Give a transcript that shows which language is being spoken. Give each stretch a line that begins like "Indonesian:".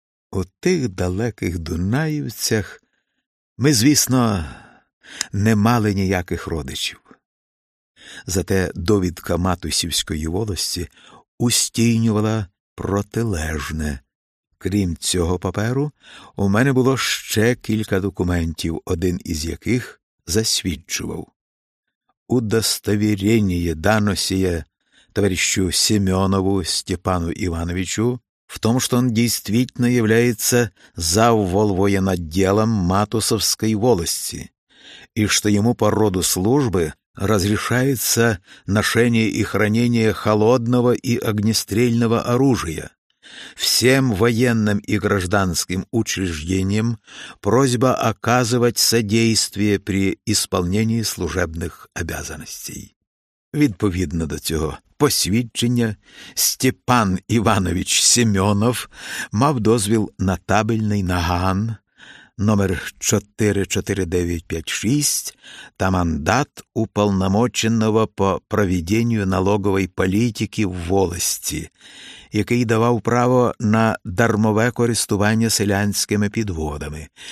Ukrainian: У тих далеких Дунаївцях ми, звісно, не мали ніяких родичів. Зате довідка матусівської волості устійнювала протилежне. Крім цього паперу, у мене було ще кілька документів, один із яких засвідчував.
Russian: Удостовірення даносіє товаришу Семенову Степану Івановичу в том, что он действительно является завволвоенотделом Матусовской волости, и что ему по роду службы разрешается ношение и хранение холодного и огнестрельного оружия. Всем военным и гражданским учреждениям просьба оказывать содействие при исполнении служебных обязанностей.
Ukrainian: Відповідно до цього посвідчення, Степан Іванович Семенов мав дозвіл на табельний наган номер 44956 та мандат уполномоченного по проведенню налогової політики в волості, який давав право на дармове користування селянськими підводами.